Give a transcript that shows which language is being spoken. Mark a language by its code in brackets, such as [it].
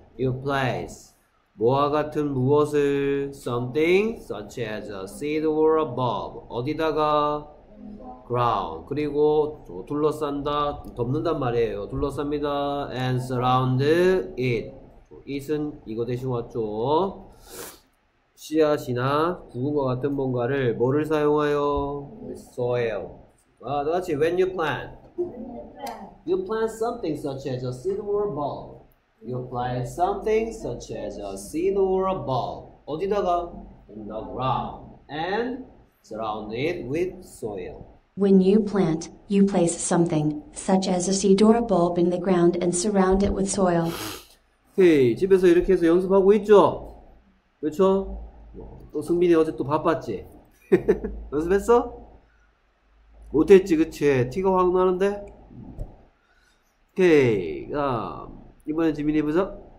[en] You place [ko] 뭐와 같은 무엇을 [en] something such as a seed or a bulb 어디다가 ground [ko] 그리고 둘러싼다 덮는단 말이에요. 둘러쌉니다. [en] And surround it. [ko] It은 이거 대신 왔죠. 씨앗이나 구근과 같은 뭔가를 뭐를 사용하여 [en] soil. [ko] 아, 그렇지. [en] When you plant something such as a seed or a bulb. You apply something such as a seed or a bulb. [ko] 어디다가? [en] In the ground. And surround it with soil. When you plant, you place something such as a seed or a bulb in the ground and surround it with soil. [ko] 오케이. 집에서 이렇게 해서 연습하고 있죠? 그렇죠? 또 승민이 어제 또 바빴지? 연습했어? 못했지, 그치? 티가 확 나는데? 오케이. 이번엔 지민이 해보자.